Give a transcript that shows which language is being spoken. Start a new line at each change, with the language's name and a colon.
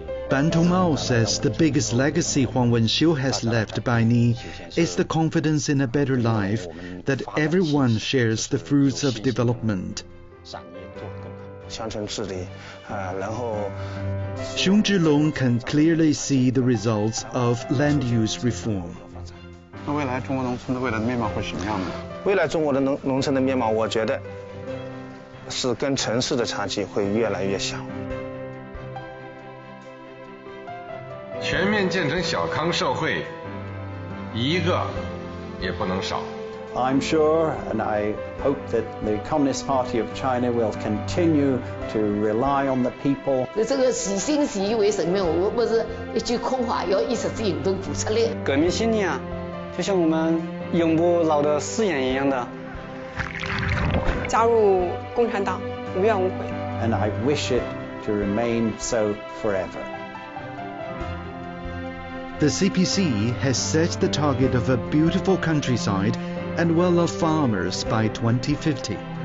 English: Ban Tongmao says the biggest legacy Huang Wenxiu has left behind is the confidence in a better life, that everyone shares the fruits of development.
Chinese: 乡村治理，然后。
English: 熊志龙 can clearly see the results of land use reform.
Chinese: 那未来中国农村的未来的面貌会什么样呢？未来中国的农村的面貌，我觉得是跟城市的差距会越来越小。全面建成小康社会，一个也不能少。
English: I'm sure and I hope that the Communist Party of China will continue to rely on the people.
Chinese: 这个洗心洗意为什么我不是一句空话要一时之引都补出来。革命信念就像我们永不老的誓言一样的。加入共产党无怨无悔。
English: And I wish it to remain so forever. The CPC has set the target of a beautiful countryside and well of farmers by 2050.